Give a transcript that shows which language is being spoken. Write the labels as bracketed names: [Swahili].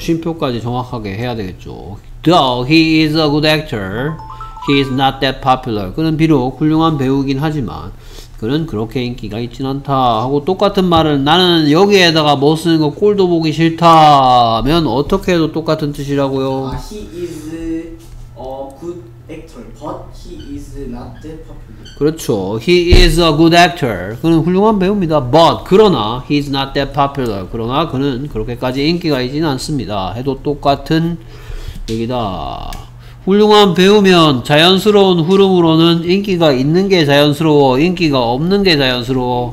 [Korean] 심표까지 정확하게 해야 되겠죠. [English] Though he is a good actor, he is not that popular. [Korean] 그는 비록 훌륭한 배우긴 하지만 그는 그렇게 인기가 있진 않다. 하고 똑같은 말을 나는 여기에다가 뭐 쓰는 거 꼴도 보기 싫다면 어떻게 해도 똑같은 뜻이라고요. [English] He is a good actor, but he is not that popular. [Korean] 그렇죠. [English] He is a good actor. [Korean] 그는 훌륭한 배우입니다. [English] But [Korean] 그러나 [English] he is not that popular. [Korean] 그러나 그는 그렇게까지 인기가 있지는 않습니다. 해도 똑같은 얘기다. 훌륭한 배우면 자연스러운 흐름으로는 인기가 있는 게 자연스러워, 인기가 없는 게 자연스러워.